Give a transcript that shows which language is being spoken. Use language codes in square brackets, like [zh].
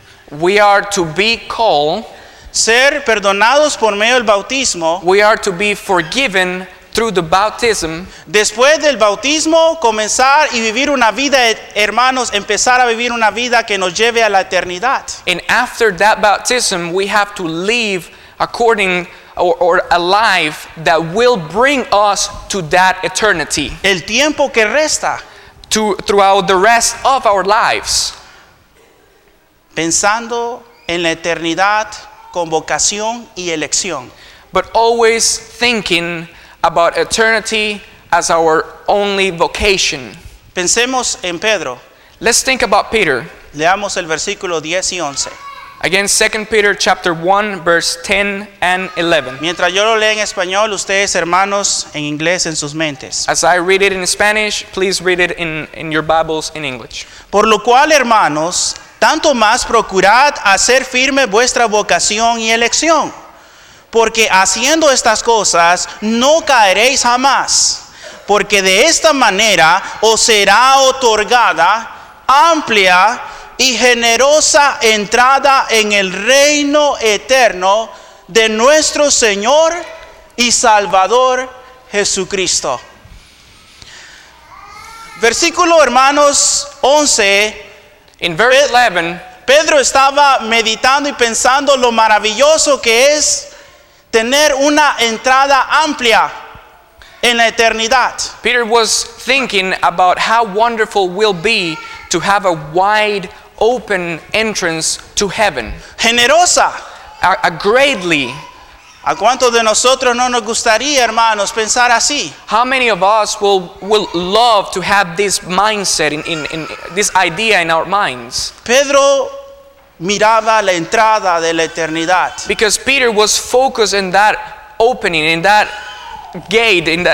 [en] We are to be called. [es] Ser perdonados por medio del bautismo. [en] We are to be forgiven. Through the baptism, [es] después del bautismo, comenzar y vivir una vida, hermanos, empezar a vivir una vida que nos lleve a la eternidad. [en] And after that baptism, we have to live according or a life that will bring us to that eternity. [es] El tiempo que resta, [en] throughout the rest of our lives, [es] pensando en la eternidad con vocación y elección. [en] But always thinking about eternity as our only vocation. [es] Pensemos en Pedro. [en] Let's think about Peter. [es] Leamos el versículo 10 y 11. [en] Again, 2 Peter chapter 1, verse 10 and 11. [es] Mientras yo lo leo en español, ustedes, hermanos, en inglés en sus mentes. [en] As I read it in Spanish, please read it in your Bibles in English. [es] Por lo cual, hermanos, tanto más procurad hacer firme vuestra vocación y elección. Porque haciendo estas cosas, no caeréis jamás. Porque de esta manera os será otorgada amplia y generosa entrada en el reino eterno de nuestro Señor y Salvador Jesucristo. Versículo, hermanos, 11. [en] In verse 11, [es] Pedro estaba meditando y pensando lo maravilloso que es tener una entrada amplia en la eternidad. [en] Peter was thinking about how wonderful will be to have a wide open entrance to heaven. [es] Generosa. [en] A greatly. [es] ¿A cuántos de nosotros no nos gustaría, hermanos, pensar así? [en] How many of us will love to have this mindset in this idea in our minds? [es] Pedro miraba la entrada de la eternidad. [en] Because Peter was focused in that opening, in that gate,